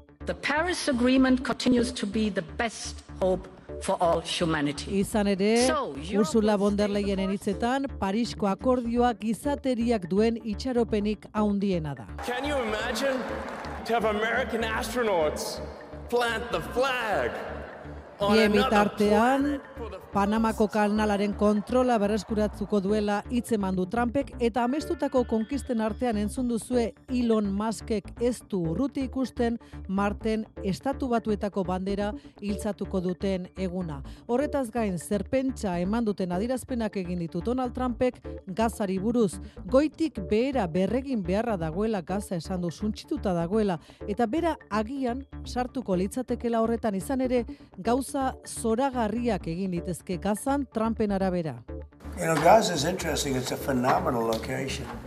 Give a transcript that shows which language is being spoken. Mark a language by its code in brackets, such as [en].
[en] The Paris Agreement continues to be the best hope for all humanity. [eu] Izan ere, Ursula von der Leyenen hitzetan, Parisko akordioa gizateriak duen itxaropenik handiena da. [en] Can you imagine to have American astronauts plant the flag? [eu] Bien bitartean, Panamako kanalaren kontrola berreskuratzuko duela hitz eman du Trumpek eta amestutako konkisten artean entzun duzue Elon Muskek ez du urruti ikusten Marten Estatu Batuetako bandera hiltzatuko duten eguna. Horretaz gain zerpentsa eman duten adierazpenak egin ditu Donald Trumpek Gazari buruz, goitik behera berregin beharra dagoela Gaza esan du suntsituta dagoela eta bera agian sartuko litzatekeela horretan izan ere gauza zoragarriak egin litezke Gazan Trumpen arabera. [en] You know, Gaza is interesting. It's a phenomenal location.